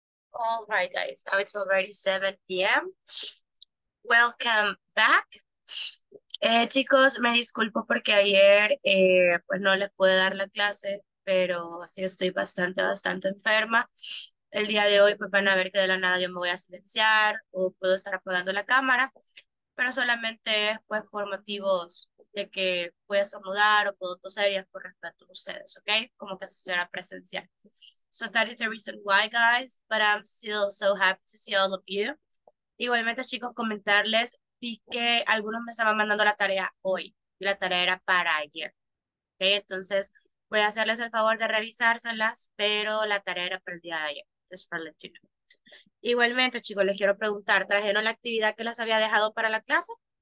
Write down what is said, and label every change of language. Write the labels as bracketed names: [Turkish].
[English] All right, guys, now it's already 7 p.m. Welcome back. [Spanish] Chicos, me disculpo porque ayer pues no les pude dar la clase, pero sí estoy bastante, bastante enferma. El día de hoy pues van a ver que de la nada yo me voy a silenciar o puedo estar apagando la cámara, pero solamente es pues por motivos de que voy a estornudar o puedo toser y es por respeto a ustedes, ¿ok? Como que si fuera presencial. [English] So that is the reason why, guys, but I'm still so happy to see all of you. [Spanish] Igualmente, chicos, comentarles, vi que algunos me estaban mandando la tarea hoy. La tarea era para ayer, ¿ok? Entonces, voy a hacerles el favor de revisárselas, pero la tarea era para el día de ayer. [English] Just for letting you know. [Spanish] Igualmente, chicos, les quiero preguntar, ¿trajeron la actividad que les había dejado para la clase?